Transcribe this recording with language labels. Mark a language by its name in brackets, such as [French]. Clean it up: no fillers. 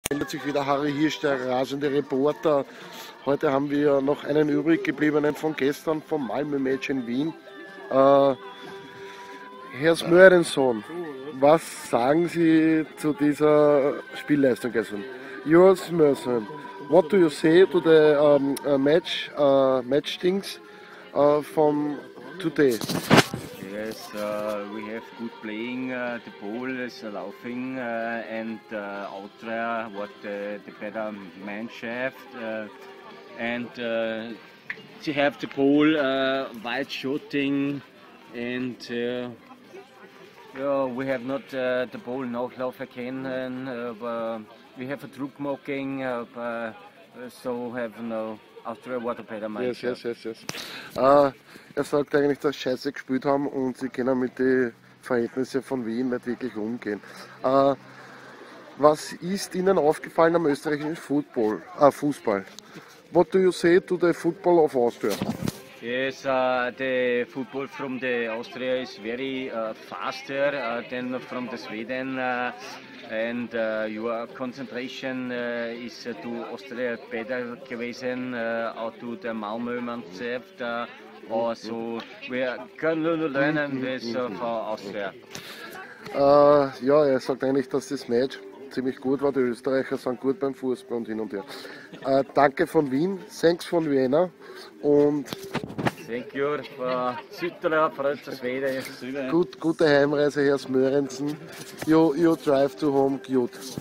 [German] Ändert sich wieder Harry Hirsch, der rasende Reporter. Heute haben wir noch einen übrig gebliebenen von gestern, vom Malmö-Match in Wien. Herr Smörensohn, was sagen Sie zu dieser Spielleistung gestern? [English] Herr Smörensohn, what do you say to the match things from today? Yes, we have good playing, the ball is laughing and Autre, what the better Mannschaft and to have the ball, wide shooting and we have not the ball, no love again, and we have a troop mocking, so have no Austria, what a better match. Yes. [German] Er sagt eigentlich, dass Scheiße gespielt haben und sie können mit den Verhältnissen von Wien nicht wirklich umgehen. Was ist Ihnen aufgefallen am österreichischen Football, Fußball? [English] What do you say to the football of Austria? Yes, the football from the Austria is very faster than from the Sweden. And your concentration is to Austria better gewesen, auch to the Malmö Mannschaft. Also we can learn this for Austria. [German] Ja, er sagt eigentlich, dass das Match ziemlich gut war. Die Österreicher sind gut beim Fußball und hin und her. Danke von Wien, thanks von Vienna und [English] thank you for Südtirol, Freund zu Schweden. [German] Gute Heimreise, Herr Smörensen. You drive to home, good.